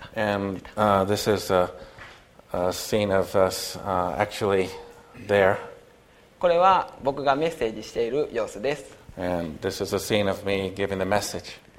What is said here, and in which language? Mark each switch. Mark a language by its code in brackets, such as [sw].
[en] And this is a scene of us actually there. [ja] これは僕がメッセージしている様子です。 [en] And this is a scene of me giving the message.